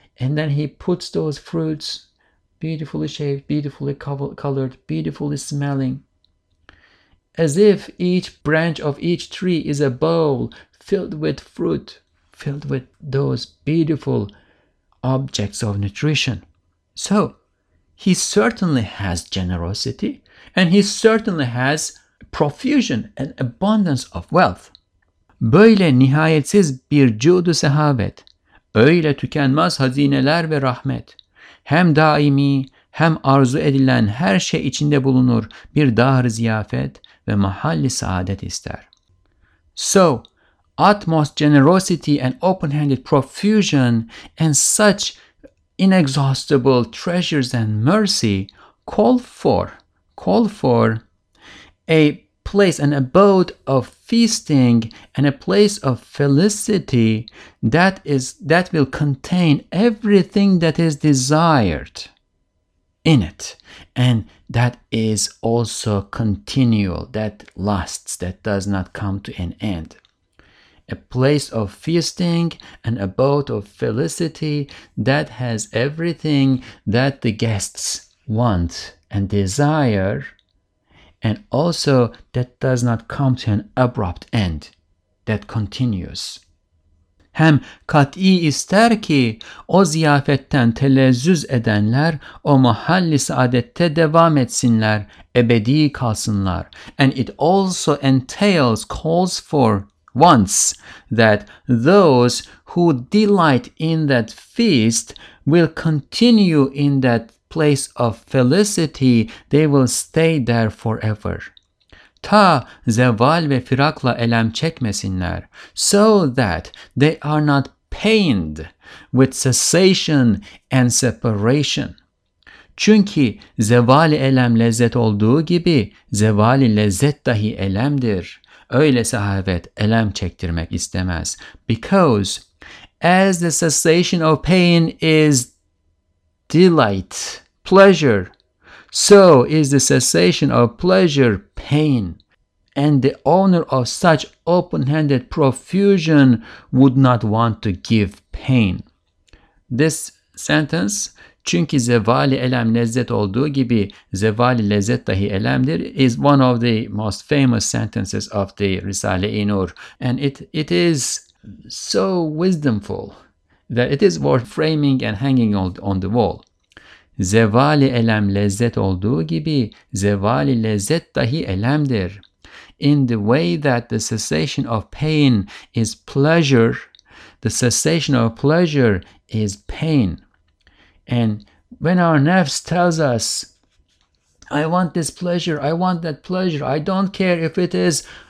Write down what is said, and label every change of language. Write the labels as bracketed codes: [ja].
[en] And then he puts those fruits, beautifully shaped, beautifully colored, beautifully smelling, as if each branch of each tree is a bowl filled with fruit, filled with those beautiful objects of nutrition. So he certainly has generosity, and he certainly has profusion and abundance of wealth. [tr] Böyle nihayetsiz bir cudu sehavet, öyle tükenmez hazineler ve rahmet, hem daimi hem arzu edilen her şey içinde bulunur bir dar-ı ziyafet ve mahalli saadet ister. [en] So, utmost generosity and open-handed profusion and such inexhaustible treasures and mercy call for a place, an abode of feasting, and a place of felicity that will contain everything that is desired in it. And that is also continual, that lasts, that does not come to an end. A place of feasting, an abode of felicity that has everything that the guests want and desire, and also that does not come to an abrupt end, that continues. [tr] Hem kat'i ister ki o ziyafetten telezzüz edenler o mahalli saadette devam etsinler, ebedi kalsınlar. [en] And it also entails, calls for, wants that those who delight in that feast will continue in that place of felicity, they will stay there forever. [tr] Ta zeval ve firakla elem çekmesinler, [en] so that they are not pained with cessation and separation. [tr] Çünkü zeval elem lezzet olduğu gibi, zeval lezzet dahi elemdir. Öylese evet, elem çektirmek istemez. [en] Because as the cessation of pain is delight, pleasure, so is the cessation of pleasure pain. And the owner of such open-handed profusion would not want to give pain. This sentence, [tr] çünkü zevali elem lezzet olduğu gibi, zevali lezzet dahi elemdir, [en] is one of the most famous sentences of the Risale-i Nur. And it is so wisdomful that it is worth framing and hanging on the wall. [tr] Zevali elem lezzet olduğu gibi, zevali lezzet dahi elemdir. [en] In the way that the cessation of pain is pleasure, the cessation of pleasure is pain. And when our nafs tells us, I want this pleasure, I want that pleasure, I don't care if it is